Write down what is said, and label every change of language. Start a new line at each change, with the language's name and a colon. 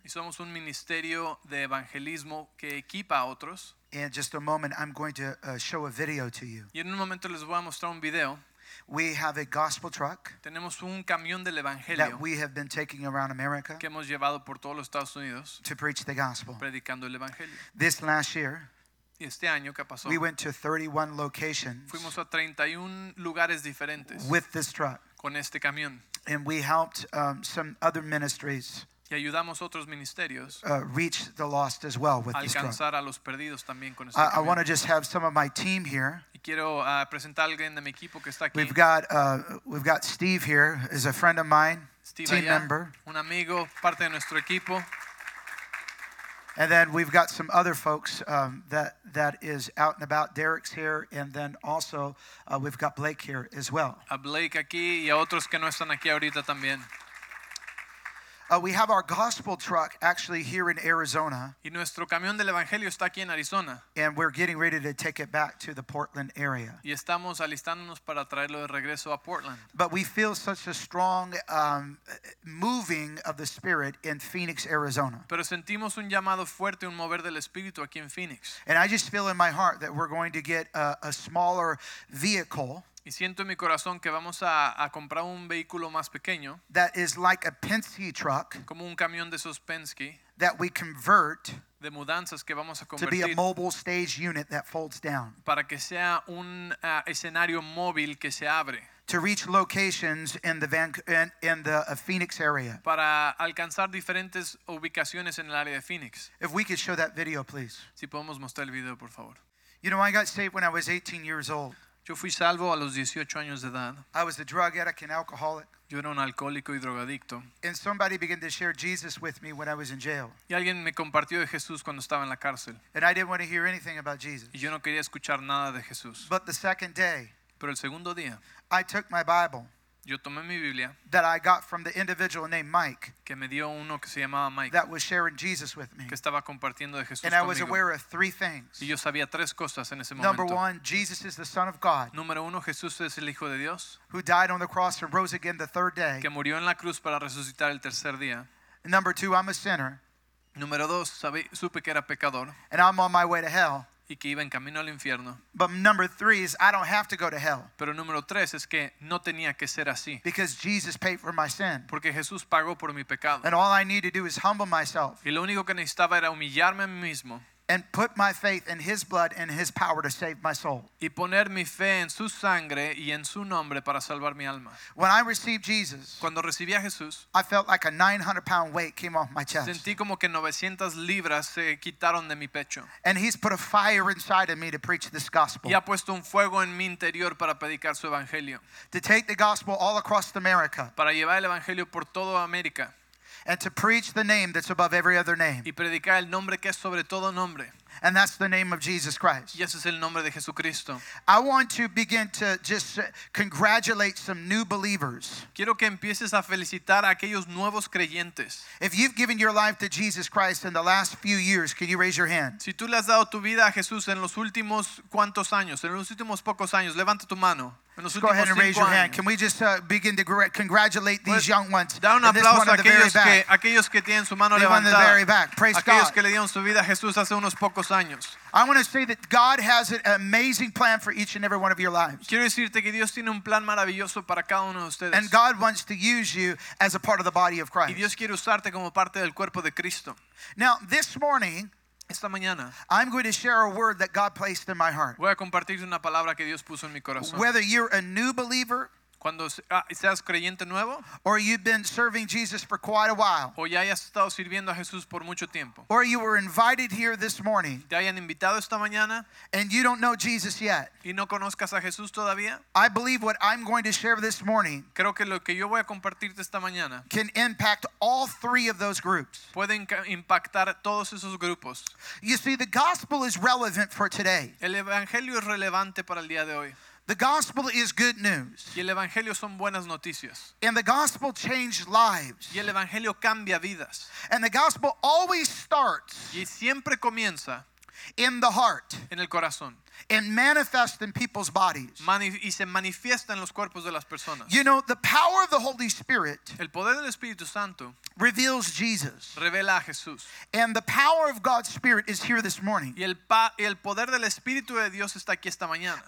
Spanish: Y somos un ministerio de evangelismo que equipa a otros.
English: In just a moment, I'm going to show a video to you.
Spanish: Y en un momento les voy a mostrar un video.
English: We have a gospel truck.
Spanish: Tenemos un camión del evangelio
English: that we have been taking around America.
Spanish: Que hemos llevado por todos los Estados Unidos.
English: To preach the gospel.
Spanish: Predicando el evangelio.
English: This last year.
Spanish: Este año, ¿qué pasó?
English: We went to 31 locations.
Spanish: Fuimos a 31 lugares diferentes.
English: With this truck.
Spanish: Con este camión.
English: And we helped some other ministries.
Spanish: Y ayudamos otros ministerios.
English: Reach the lost as well with
Spanish: alcanzar
English: this truck.
Spanish: A los perdidos también con este camión.
English: I want to just have some of my team here.
Spanish: Y quiero presentar a alguien de mi equipo que está aquí.
English: We've got Steve here, is a friend of mine, Steve team
Spanish: allá,
English: member.
Spanish: Un amigo, parte de nuestro equipo.
English: And then we've got some other folks that is out and about. Derek's here, and then also we've got Blake here as well.
Spanish: A Blake aquí y a otros que no están aquí ahorita también.
English: We have our gospel truck actually here in Arizona.
Spanish: Y nuestro camión del evangelio está aquí en Arizona.
English: And we're getting ready to take it back to the Portland area.
Spanish: Y estamos alistándonos para traerlo de regreso a Portland.
English: But we feel such a strong moving of the Spirit in Phoenix, Arizona.
Spanish: Pero sentimos un llamado fuerte, un mover del Espíritu aquí en Phoenix.
English: And I just feel in my heart that we're going to get a smaller vehicle.
Spanish: Y siento en mi corazón que vamos a comprar un vehículo más pequeño.
English: That is like a Penske truck.
Spanish: Como un camión de esos Penske.
English: That we convert.
Spanish: De mudanzas que vamos a convertir.
English: To be a mobile stage unit that folds down.
Spanish: Para que sea un escenario móvil que se abre.
English: To reach locations in the Phoenix area.
Spanish: Para alcanzar diferentes ubicaciones en el área de Phoenix.
English: If we could show that video, please.
Spanish: Si podemos mostrar el video, por favor.
English: You know, I got saved when I was 18 years old.
Spanish: Yo fui salvo a los 18 años de edad.
English: I was a drug addict and alcoholic.
Spanish: Yo era un alcohólico y drogadicto.
English: And somebody began to share Jesus with me when I was in jail.
Spanish: Y alguien me compartió de Jesús cuando estaba en la cárcel.
English: And I didn't want to hear anything about Jesus.
Spanish: Y yo no quería escuchar nada de Jesús.
English: But the second day,
Spanish: pero el segundo día,
English: I took my Bible.
Spanish: Yo tomé mi Biblia.
English: That I got from the individual named Mike.
Spanish: Que me dio uno que se llamaba Mike.
English: That was sharing Jesus with me.
Spanish: Que estaba compartiendo de Jesús conmigo.
English: And I was aware of three things.
Spanish: Y yo sabía tres cosas en ese momento.
English: Number one, Jesus is the Son of God.
Spanish: Número uno, Jesús es el Hijo de Dios.
English: Who died on the cross and rose again the third day.
Spanish: Que murió en la cruz para resucitar el tercer día.
English: Number two, I'm a sinner.
Spanish: Número dos, supe que era pecador.
English: And I'm on my way to hell.
Spanish: Y que iba en camino al infierno.
English: But number three is I don't have to go to hell.
Spanish: Pero número tres es que no tenía que ser así.
English: Because Jesus paid for my sin.
Spanish: Porque Jesús pagó por mi pecado.
English: And all I need to do is humble myself.
Spanish: Y lo único que necesitaba era humillarme a mí mismo.
English: And put my faith in His blood and His power to save my soul.
Spanish: Y poner mi fe en su sangre y en su nombre para salvar mi alma.
English: When I received Jesus,
Spanish: cuando recibí a Jesús,
English: I felt like a 900-pound weight came off my chest.
Spanish: Sentí como que 900 libras se quitaron de mi pecho.
English: And He's put a fire inside of me to preach this gospel.
Spanish: Y ha puesto un fuego en mi interior para predicar su evangelio.
English: To take the gospel all across America.
Spanish: Para llevar el evangelio por toda América.
English: And to preach the name that's above every other name.
Spanish: Y predicar el nombre que es sobre todo nombre.
English: And that's the name of Jesus Christ.
Spanish: Y ese es el nombre de Jesucristo.
English: I want to begin to just congratulate some new believers.
Spanish: Quiero que empieces a felicitar a aquellos nuevos creyentes.
English: If you've given your life to Jesus Christ in the last few years, can you raise your hand?
Spanish: Si tú le has dado tu vida a Jesús en los últimos cuantos años, en los últimos pocos años, levanta tu mano.
English: Just go ahead and raise your hand. Can we just begin to congratulate these young ones?
Spanish: Da un aplauso a aquellos que tienen su mano levantada.
English: The one in the very back. Praise God.
Spanish: Aquellos que le dieron su vida a Jesús hace unos pocos años.
English: I want to say that God has an amazing plan for each and every one of your lives.
Spanish: Quiero decirte que Dios tiene un plan maravilloso para cada uno de ustedes.
English: And God wants to use you as a part of the body of Christ.
Spanish: Y Dios quiere usarte como parte del cuerpo de Cristo.
English: Now, this morning,
Spanish: esta mañana,
English: I'm going to share a word that God placed in my heart.
Spanish: Voy a compartir una palabra que Dios puso en mi corazón.
English: Whether you're a new believer,
Spanish: cuando seas creyente nuevo,
English: or you've been serving Jesus for quite a while,
Spanish: o ya hayas estado sirviendo a Jesús por mucho tiempo,
English: or you were invited here this morning,
Spanish: te hayan invitado esta mañana,
English: and you don't know Jesus yet,
Spanish: y no conozcas a Jesús todavía,
English: I believe what I'm going to share this morning,
Spanish: creo que lo que yo voy a compartirte esta mañana,
English: can impact all three of those groups,
Spanish: pueden impactar todos esos grupos.
English: You see, the gospel is relevant for today.
Spanish: El evangelio es relevante para el día de hoy.
English: The gospel is good news.
Spanish: Y el evangelio son buenas noticias.
English: And the gospel changed lives.
Spanish: Y el evangelio cambia vidas.
English: And the gospel always starts.
Spanish: Y siempre comienza.
English: In the heart.
Spanish: En el corazón.
English: And manifest in people's bodies.
Spanish: Y se manifiesta en los cuerpos de las personas.
English: You know, the power of the Holy Spirit,
Spanish: el poder del Espíritu Santo,
English: reveals Jesus.
Spanish: Revela a Jesús.
English: And the power of God's Spirit is here this morning.
Spanish: Y el poder del Espíritu de Dios está aquí esta mañana.